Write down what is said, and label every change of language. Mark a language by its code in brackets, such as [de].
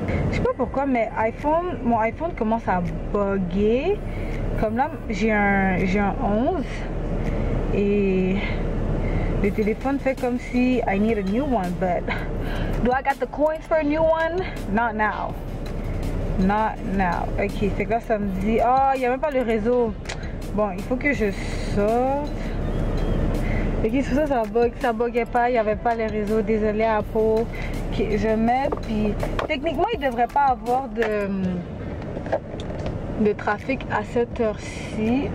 [fr] Je sais pas pourquoi, mais mon iPhone commence à bugger. Comme là, j'ai un 11. Et le téléphone fait comme si [en] I need a new one. But do I got the coins for a new one? Not now. Not now. [fr] Ok, c'est que là ça me dit. Oh, il n'y a même pas le réseau. Bon, il faut que je sorte. Ok, c'est ça bug. Ça buguait pas. Il n'y avait pas le réseau. Désolé, Apple. Ok, je mets. Puis, techniquement, il ne devrait pas avoir de trafic à cette heure-ci.